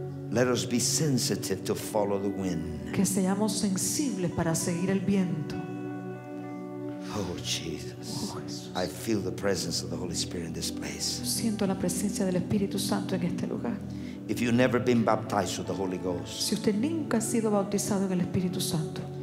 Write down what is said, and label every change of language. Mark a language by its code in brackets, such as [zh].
[en] Let us be sensitive to follow the wind. [es] Que seamos sensibles para seguir el viento. [en] Oh Jesus. I feel the presence of the Holy Spirit in this place. [es] Siento la presencia del Espíritu Santo en este lugar. [en] If you've never been baptized with the Holy Ghost. [es] Si usted nunca ha sido bautizado en el Espíritu Santo.